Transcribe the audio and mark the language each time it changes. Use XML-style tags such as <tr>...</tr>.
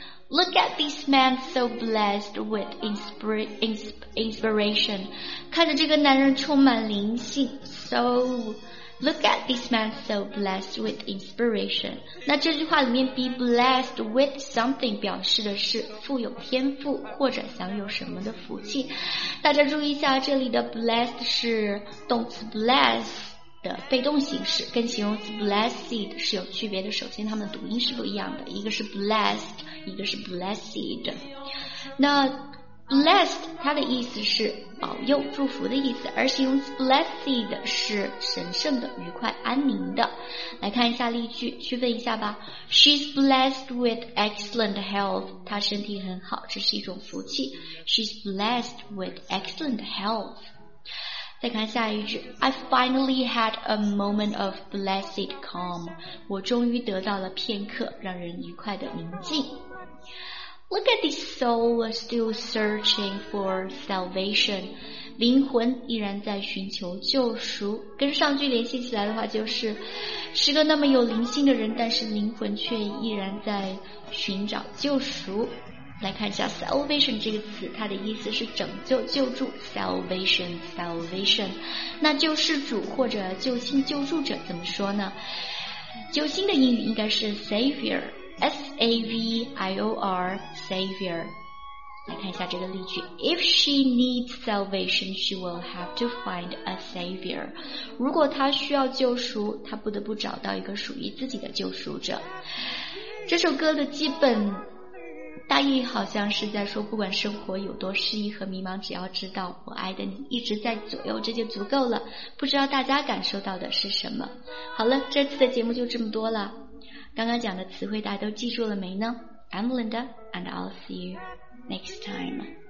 <en>Look at this man so blessed with inspiration.</en> <zh>看着这个男人充满灵性。</zh> <en>SoLook at this man so blessed with inspiration.</en> <zh>那这句话里面 be blessed with something 表示的是富有天赋或者享有什么的福气。大家注意一下，这里的 blessed 是动词 bless 的被动形式，跟形容词 blessed 是有区别的。首先它们读音是不一样的，一个是 blessed， 一个是 blessed。那Blessed 它的意思是保佑、祝福的意思，而形容 blessed 是神圣的、愉快、安宁的。来看一下例句，区分一下吧。</zh> <en>She's blessed with excellent health.</en> <zh>她身体很好，这是一种福气。</zh> <en>She's blessed with excellent health.</en> <zh>再看下一句，</zh> <en>I finally had a moment of blessed calm.</en> <zh>我终于得到了片刻让人愉快的宁静。</zh> <en>Look at this soul still searching for salvation.</en> <zh>灵魂依然在寻求救赎。跟上句联系起来的话，就是是个那么有灵性的人，但是灵魂却依然在寻找救赎。来看一下 salvation 这个词，它的意思是拯救、救助。</zh> <en>salvation, salvation.</en> <zh>那救世主或者救星、救助者怎么说呢？救星的英语应该是 savior。S-A-V-I-O-R, Savior. 来看一下这个例句。</zh> <en>If she needs salvation, she will have to find a Savior.</en> <zh>如果她需要救赎，她不得不找到一个属于自己的救赎者。这首歌的基本大意好像是在说，不管生活有多失意和迷茫，只要知道我爱的你一直在左右，这就足够了。不知道大家感受到的是什么？好了，这次的节目就这么多了。刚刚讲的词汇大家都记住了没呢？</zh> <en>I'm Linda and I'll see you next time.</en>